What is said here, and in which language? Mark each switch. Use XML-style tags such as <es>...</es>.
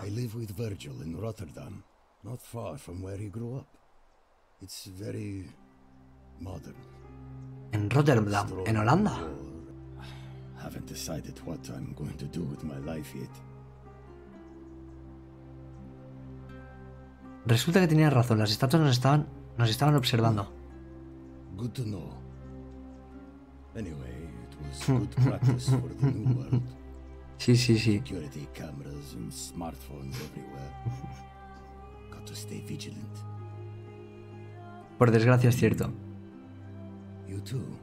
<en>I live with Virgil in Rotterdam, not far from where he grew up. It's very modern.</en> <es>En Rotterdam, en Holanda.</es> <en>Haven't decided what I'm going to do with my life yet.</en> <es>Resulta que tenías razón, las estatuas nos estaban observando.</es> <en>Good to know. Anyway, it was good practice for the new world.</en> <es>Sí, sí, sí.</es> <en>Security cameras and smartphones everywhere. Got to stay vigilant.</en> <es>Por desgracia es cierto.</es> <en>You too.</en>